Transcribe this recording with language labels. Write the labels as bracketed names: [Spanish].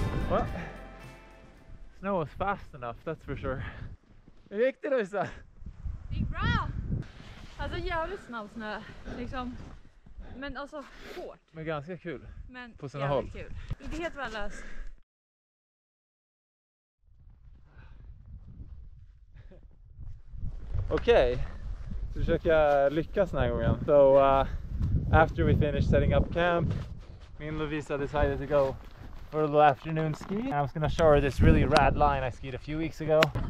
[English] Well, snow was fast enough, that's for sure. [Swedish] Hur gick det, Lovisa? Det gick bra! Alltså jävligt snabb snö, liksom. Men alltså, hårt. Men ganska kul. Men på sina håll. Kul. Inte helt värdelös. Okej, okay. Så försöker jag lyckas den här gången. [English] So, after we finished setting up camp, me and Lovisa decided to go for a little afternoon ski. I was gonna show her this really rad line I skied a few weeks ago.